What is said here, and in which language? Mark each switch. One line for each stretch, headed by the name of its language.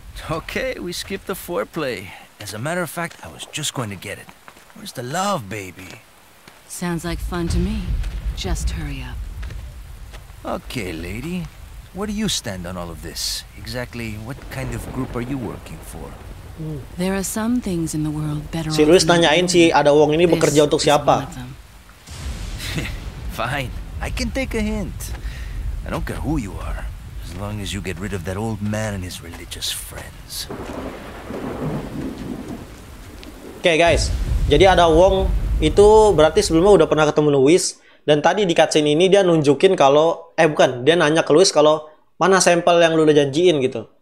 English: Okay, we skipped the foreplay. As a matter of fact, I was just going to get it. Where's the love, baby? Sounds like fun to me. Just hurry up. Okay, lady. Where do you stand on all of this? Exactly what kind of group are you working for? There are some things in the world better.
Indonesian: Si Luis nanyain si Ada Wong ini bekerja untuk siapa?
English: Fine, I can take a hint. I don't care who you are, as long as you get rid of that old man and his religious friends. Okay, guys.
Indonesian: Jadi Ada Wong itu berarti sebelumnya udah pernah ketemu Luis, dan tadi di cutscene ini dia nunjukin kalau dia nanya ke Luis kalau mana sampel yang lu udah janjiin gitu.